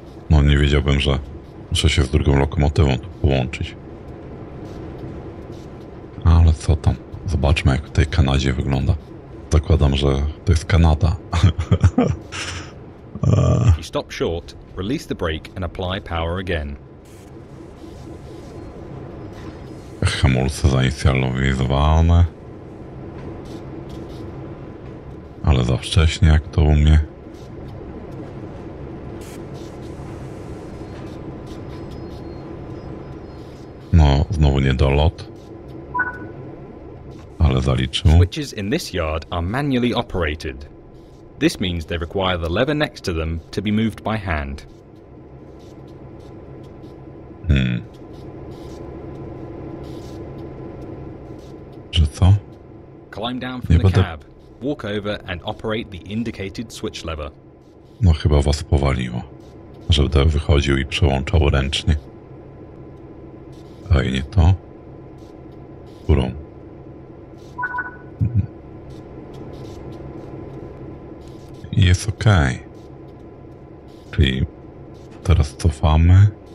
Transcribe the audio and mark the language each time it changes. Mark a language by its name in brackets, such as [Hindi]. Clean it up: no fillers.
[Polish] No nie wiedziałbym, że muszę się z drugą lokomotywą tu połączyć. Ale co tam? Zobaczmy, jak w tej Kanadzie wygląda. Zakładam, że to jest Kanada. [English] If you stop short, release the brake and apply power again. [Polish] Hamulce zainicjalizowane. Ale za wcześnie, jak to u mnie. No, znowu niedolot. Ale zaliczył. [English] Switches in this yard are manually operated. This means they require the lever next to them to be moved by hand. [Polish] Że co? [English] Climb down from the cab. Walk over and operate the indicated switch lever. [Polish] No chyba was powaliło. Że będę wychodził i przełączał ręcznie. A i nie to. Górą. Jest okej. Czyli teraz cofamy.